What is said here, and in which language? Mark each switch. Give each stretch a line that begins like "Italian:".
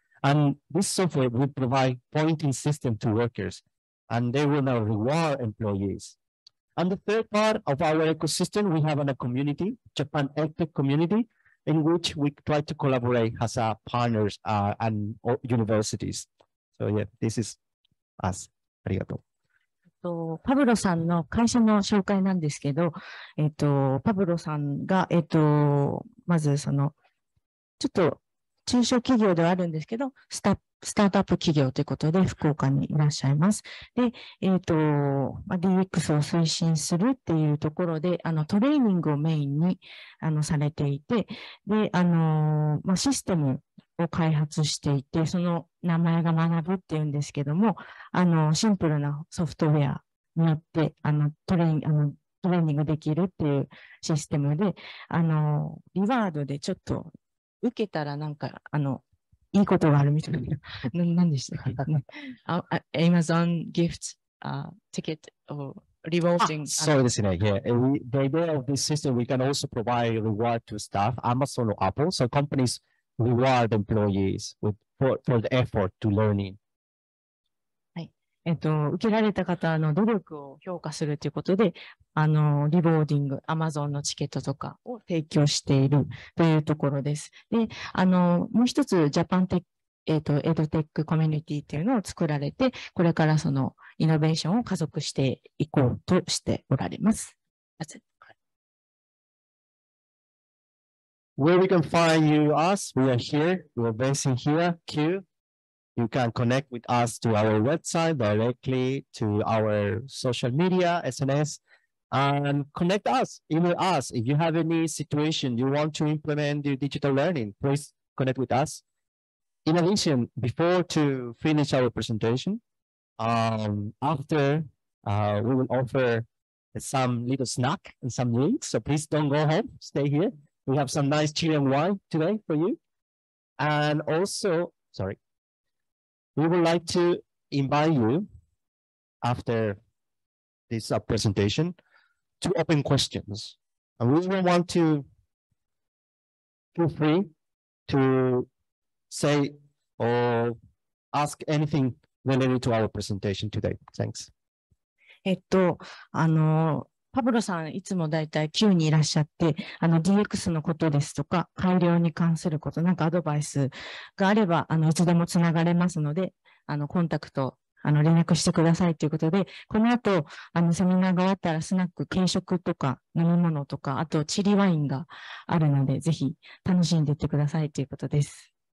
English: And this software will provide pointing system to workers and they will now reward employees. And the third part of our ecosystem, we have a community, Japan EdTech community, in which we try to collaborate as our partners and universities. So yeah, this is us. Arigato.
Japanese: パブロさんの会社の紹介なんですけど、パブロさんが、まずその、ちょっと中小企業ではあるんですけど、スタートアップ企業ということで福岡にいらっしゃいます。で、DX を推進するっていうところで、トレーニングをメインに、されていて、で、システムを開発していて、その名前が Manabu っていうんですけども、シンプルなソフトウェアによって、トレーニングできるっていうシステムで、リワードでちょっと受けたらなんか、いいことがあるみたいな。何でしたかね。
English: Amazon gift, ticket, or rewarding.
Japanese: そうですね。
English: Yeah. The idea of this system, we can also provide reward to staff, Amazon or Apple. So companies reward employees for the effort to learning.
Japanese: はい。受けられた方の努力を評価するということで、リボーディング、Amazon のチケットとかを提供しているというところです。で、もう一つ、ジャパンテック、エドテックコミュニティというのを作られて、これからそのイノベーションを加速していこうとしておられます。
English: Where we can find you, us, we are here, we are based in here, Q. You can connect with us to our website directly, to our social media, SNS. And connect us, email us. If you have any situation you want to implement your digital learning, please connect with us. In addition, before to finish our presentation, we will offer some little snack and some drinks. So please don't go home, stay here. We have some nice Chilean wine today for you. And also, sorry, we would like to invite you after this presentation to open questions. And we will want to feel free to say or ask anything related to our presentation today. Thanks.
Japanese: パブロさんいつもだいたい Q にいらっしゃって、DX のことですとか改良に関することなんかアドバイスがあればいつでもつながれますので、コンタクト連絡してくださいということで、この後セミナーが終わったらスナック軽食とか飲み物とかあとチリワインがあるのでぜひ楽しんでいってくださいということです。